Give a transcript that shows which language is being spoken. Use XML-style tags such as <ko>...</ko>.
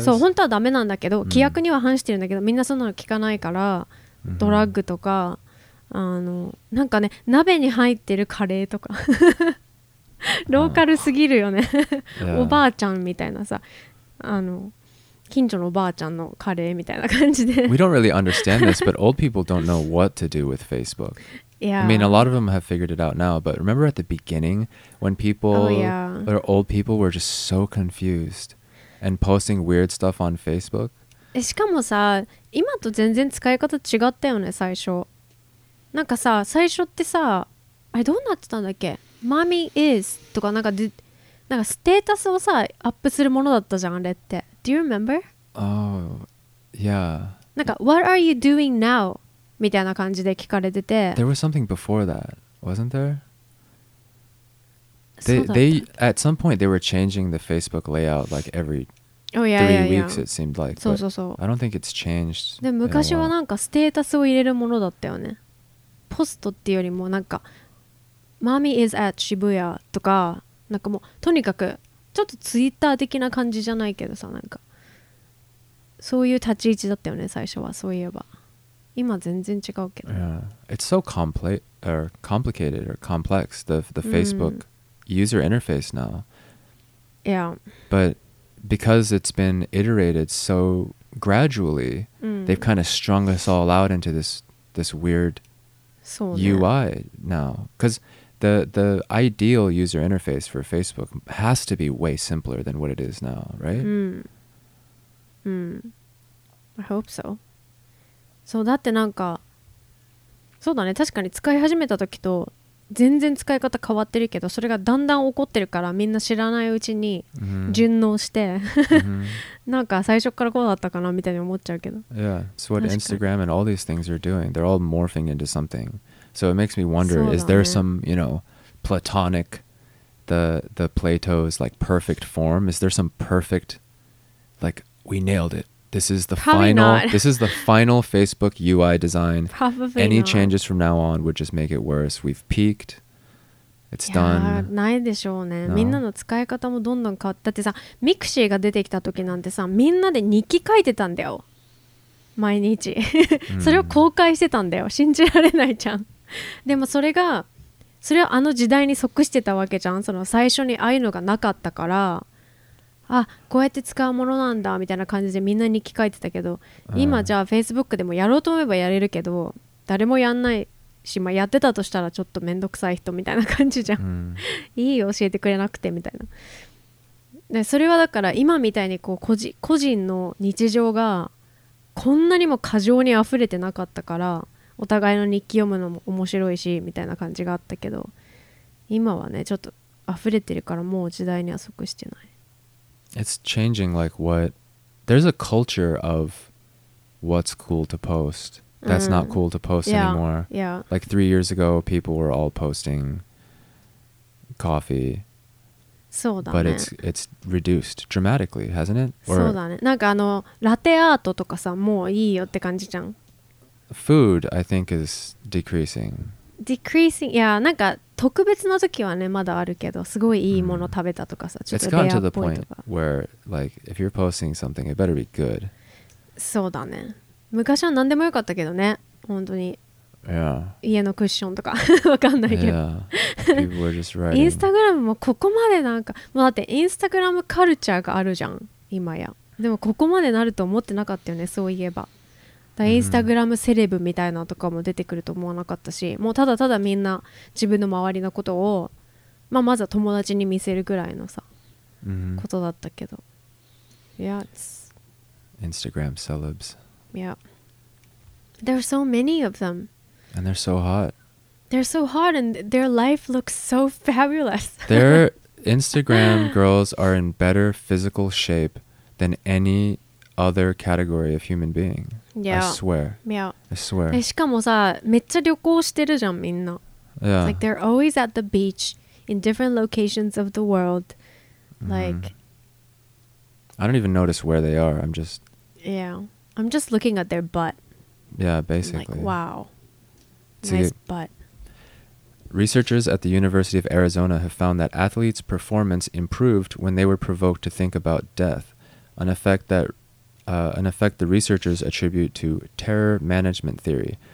<ja>そう、本当はダメなんだけど、規約には反してるんだけど、みんなそんなの聞かないから、ドラッグとか、あのなんかね、鍋に入ってるカレーとかローカルすぎるよねおばあちゃんみたいなさ、あの近所のおばあちゃんのカレーみたいな感じで。</ja> <en>We don't really understand this, but old people don't know what to do with Facebook. Yeah. I mean, a lot of them have figured it out now, but remember at the beginning when people, or old people were just so confused and posting weird stuff on Facebook?</en> <ja>しかもさ、今と全然使い方違ったよね、最初。なんかさ、最初ってさ、あれどうなってたんだっけ？</ja> <en>Mommy is</en> <ja>とかなんか、なんかステータスをさ、アップするものだったじゃん、あれって。</ja> <en>Do you remember? Oh, yeah. なんか、What are you doing now?</en> <ja>みたいな感じで聞かれてて。</ja> <en>There was something before that, wasn't there? They, at some point, they were changing the Facebook layout like every three weeks, it seemed like.</en> <ja>そうそうそう。</ja> <en>I don't think it's changed.</en> <ja>でも昔はなんか、ステータスを入れるものだったよね。ポストっていうよりも、なんか、</ja> <en>Mommy is at Shibuya</en> <ja>とか、なんかもう、とにかく、ちょっとツイッター的な感じじゃないけどさ、なんかそういう立ち位置だったよね、最初は。そういえば今全然違うけど、</ja> <en>yeah. It's so complicated or complex, the Facebook user interface now. Yeah. But because it's been iterated so gradually, they've kind of strung us all out into this weird UI now. Because The ideal user interface for Facebook has to be way simpler than what it is now, right? I hope so.</en> <ja>そうだって、なんかそうだね、確かに使い始めた時と全然使い方変わってるけど、それがだんだん起こってるから、みんな知らないうちに順応して、なんか最初からこうだったかなみたいに思っちゃうけど。</ja> <en>Yeah, it's what Instagram and all these things are doing. They're all morphing into something. So it makes me wonder, is there some, you know, platonic, the Plato's like perfect form? Is there some perfect, like, we nailed it. This is the this is the final Facebook UI design. Probably not. Changes from now on would just make it worse. We've peaked. It's done.</en> <ja>ないでしょうね。</ja> <en>No?</en> <ja>みんなの使い方もどんどん変わった。だってさ、ミクシーが出てきた時なんてさ、みんなで日記書いてたんだよ。毎日それを公開してたんだよ、信じられないじゃん。でもそれはあの時代に即してたわけじゃん。その最初にああいうのがなかったから、あ、こうやって使うものなんだみたいな感じでみんなに聞かれてたけど、今じゃあ Facebook でもやろうと思えばやれるけど、誰もやんないし、まあ、やってたとしたらちょっとめんどくさい人みたいな感じじゃん、いいよ教えてくれなくてみたいな。でそれはだから今みたいにこう個人の日常がこんなにも過剰に溢れてなかったから、お互いの日記読むのも面白いしみたいな感じがあったけど、今はねちょっと溢れてるからもう時代には即してない。</ja> <en>It's changing like what there's a culture of what's cool to post that's not cool to post anymore. Yeah, yeah. Like 3 years ago people were all posting coffeecoffee.</en> <ja>そうだね。</ja> <en>But it's reduced dramatically, hasn't it? Or,</en> <ja>そうだね。なんかあのラテアートとかさ、もういいよって感じじゃん。</ja> <en>Food, I think, is decreasing. Decreasing, yeah.</en> <ja>なんか特別な時はね、まだあるけど、すごいいいもの食べたとかさ、ちょっとレアっぽいとか。</ja> <en>It's gotten to the point where, like, if you're posting something, it better be good.</en> <ja>そうだね。昔は何でもよかったけどね、本当に。</ja> <en>Yeah.</en> <ja>家のクッションとか、わかんないけど。</ja> <en>Yeah. People were just writing.</en> <ja>インスタグラムもここまでなんか、もうだってインスタグラムカルチャーがあるじゃん、今や。でもここまでなると思ってなかったよね、そういえば。インスタグラムセレブみたいなとかも出てくると思わなかったし、もうただただみんな自分の周りのことを、まあ、まずは友達に見せるぐらいのさ、ことだったけど。</ja> <en>Yeah, it's... Instagram celebs. Yeah. There are so many of them. And they're so hot. They're so hot and their life looks so fabulous. Their Instagram girls are in better physical shape than any other category of human being. Yeah. I swear. Yeah. I swear.</en> <ja>しかもさ、めっちゃ旅行してるじゃん、みんな。</ja> <en>Yeah. Like they're always at the beach in different locations of the world. Like, I don't even notice where they are. I'm just. Yeah. I'm just looking at their butt. Yeah, basically. Like, wow. Nice butt. Researchers at the University of Arizona have found that athletes' performance improved when they were provoked to think about death, an effect the researchers attribute to terror management theory.</en>